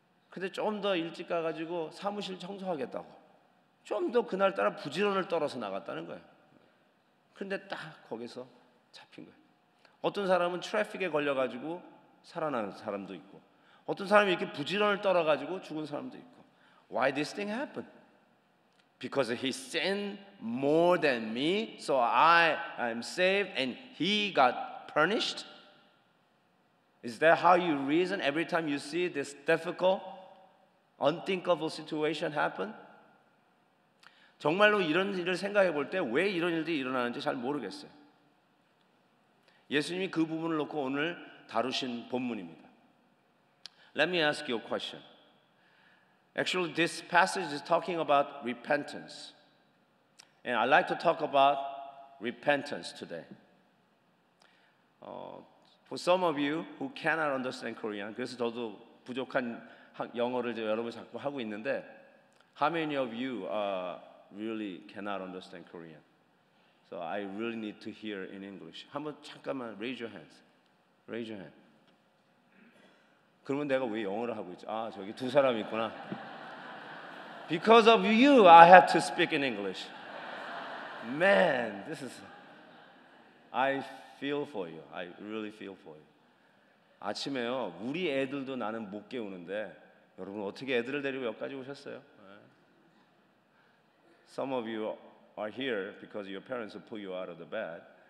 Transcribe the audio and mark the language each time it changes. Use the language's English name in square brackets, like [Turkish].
[Korean] 근데 좀 더 일찍 가가지고 사무실 청소하겠다고. 좀 더 그날따라 부지런을 떨어서 나갔다는 거예요. 근데 딱 거기서 잡힌 거예요. 어떤 사람은 트래픽에 걸려가지고 살아난 사람도 있고, 어떤 사람이 이렇게 부지런을 떨어가지고 죽은 사람도 있고. [English] Why this thing happened? Because he sinned more than me, so I am saved and he got punished. Is that how you reason every time you see this difficult, unthinkable situation happen? [Korean] 정말로 이런 일을 생각해 볼 때 왜 이런 일들이 일어나는지 잘 모르겠어요. 예수님이 그 부분을 놓고 오늘 다루신 본문입니다. [English] Let me ask you a question. Actually, this passage is talking about repentance. And I'd like to talk about repentance today. For some of you who cannot understand Korean, [Korean] 그래서 저도 부족한 영어를 여러분 자꾸 하고 있는데, [English] how many of you really cannot understand Korean? So I really need to hear in English. [Korean] 한번 잠깐만 [English] raise your hands. Raise your hand. [Korean] 그러면 내가 왜 영어를 하고 있지? 아, 저기 두 사람 있구나. [English] Because of you, I have to speak in English. Man, this is... I feel for you. I really feel for you. [Korean] 아침에요, 우리 애들도 나는 못 깨우는데 여러분 어떻게 애들을 데리고 여기까지 오셨어요? [English] Some of you are here because your parents pull you out of the bed.